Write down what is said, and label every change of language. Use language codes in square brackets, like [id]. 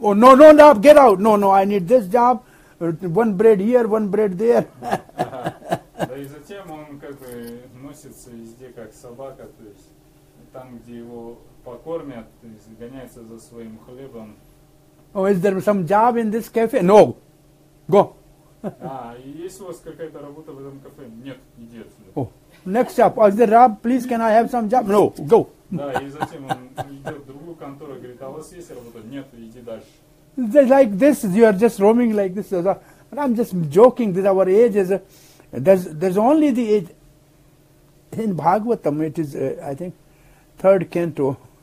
[en] Oh, no, get out. No, I need this job. One bread here, one bread there. [ru] Да, и затем он как бы носится везде, как собака, то есть там, где его покормят, то есть гоняется за своим хлебом. [en] Oh, is there some job in this cafe? No. Go. [ru] Есть у вас какая-то работа в этом кафе? Нет, иди отсюда. [en] Oh, next job. Is there job? Please, can I have some job? No, go. [ru] Да, и затем он идет в другую контору и говорит, а у вас есть работа? Нет, иди дальше. [en] Like this, you are just roaming like this. I'm just joking that our age is, there's only the age, in Bhagavatam it is, I think, third canto.